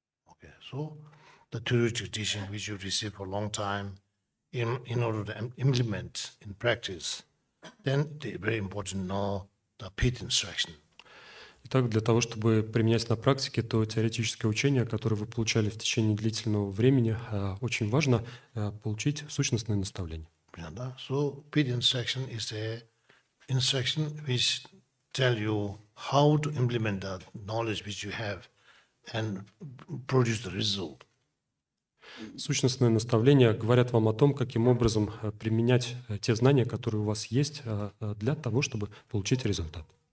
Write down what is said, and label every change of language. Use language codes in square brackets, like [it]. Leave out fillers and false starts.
[en] Okay, so the Thiru tradition which you receive for a long time in order to implement in practice, then it's very important to know the pith instruction. [ru] Итак, для того, чтобы применять на практике то теоретическое учение, которое вы получали в течение длительного времени, очень важно получить сущностное наставление. [en] So, pith instruction is a instruction which tell you how to implement the knowledge which you have and produce the result. [ru] Сущностное наставление говорят вам о том, каким образом применять те знания, которые у вас есть, для того, чтобы получить результат.